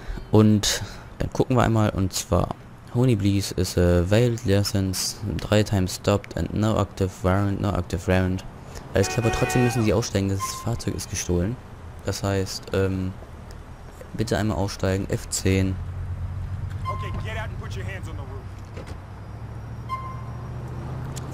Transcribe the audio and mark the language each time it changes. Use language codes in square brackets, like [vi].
[de] Und dann gucken wir einmal, und zwar Honeybleeze [en] is a valid license. 3 times stopped and no active warrant, no active warrant. [de] Alles klar, aber trotzdem müssen sie aussteigen, das Fahrzeug ist gestohlen. Das heißt, bitte einmal aussteigen, F10. [en] Okay, get out and put your hands on the roof.